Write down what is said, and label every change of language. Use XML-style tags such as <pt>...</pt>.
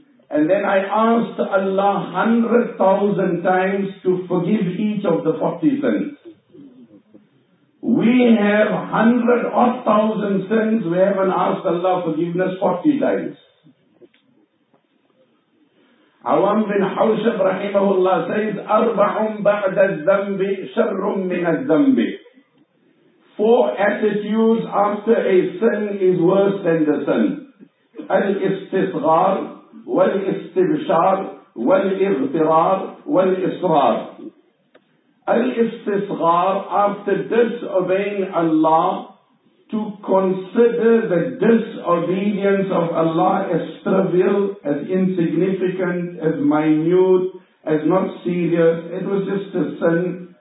<en>And then I asked Allah 100,000 times to forgive each of the 40 sins. We have 100,000 sins, we haven't asked Allah forgiveness 40 times. Awam bin Hawshab rahimahullah says,</en> <ar>أَرْبَعٌ بَعْدَ الزَّنْبِ شَرٌ مِنَ الزَّنْبِ.</ar> <en>Four attitudes after a sin is worse than the sin.</en> <ar>الْإِسْتِصْغَارِ والاستبشار والاغترار والإصرار.</ar> <en>الاستصغار, after disobeying Allah, to consider the disobedience of Allah as trivial, as insignificant, as minute, as not serious, it was just a sin.</en>